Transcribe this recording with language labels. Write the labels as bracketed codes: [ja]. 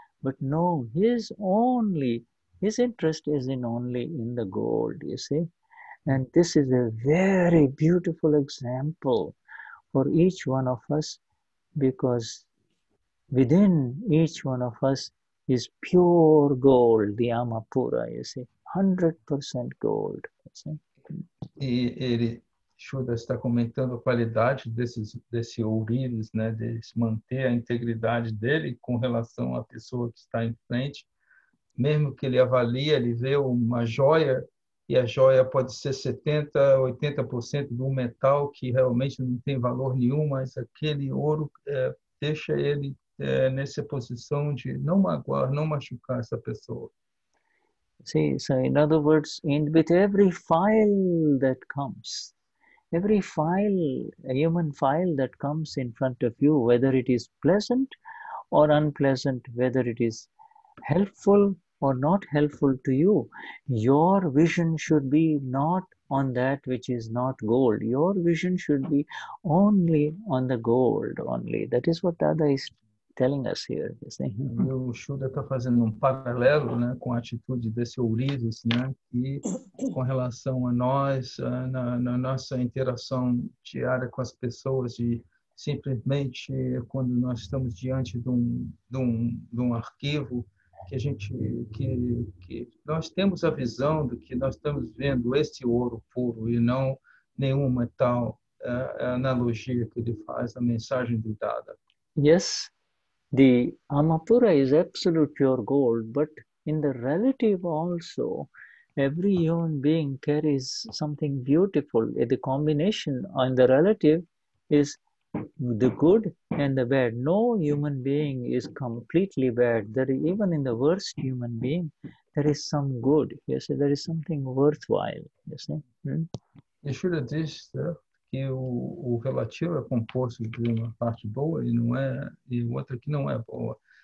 [en] But no, his interest is only in the gold, you see. And this is a very beautiful example for each one of us, because within each one of us is pure gold, the Amapura, you see. 100% gold, you see. [pt] E Shuddha está comentando a qualidade desse ourives, né, de manter a integridade dele com relação à pessoa que está em frente. Mesmo que ele avalie, ele vê uma joia, e a joia pode ser 70, 80% de um metal que realmente não tem valor nenhum, mas aquele ouro deixa ele nessa posição de não magoar, não machucar essa pessoa. [en] Sim, so in other words, with every file that comes, every file, a human file that comes in front of you, whether it is pleasant or unpleasant, whether it is helpful or not helpful to you, your vision should be not on that which is not gold. Your vision should be only on the gold, only. That is what Dada is telling us here. You see? [pt] O Shuddha está fazendo paralelo, né, com a atitude desse Ourives, né, e com relação a nós, na nossa interação diária com as pessoas, de simplesmente quando nós estamos diante de um arquivo, que a gente que nós temos a visão do que nós estamos vendo, este ouro puro e não nenhum metal, a analogia que ele faz, a mensagem do Dada. [en] Yes, the Amapura is absolute pure gold, but in the relative also, every human being carries something beautiful. The combination on the relative is the good and the bad. No human being is completely bad. There, even in the worst human being, there is some good. You see, there is something worthwhile. You see? [pt] Shuddha diz, que o relativo é composto de uma parte boa e não é, e outra que não é boa.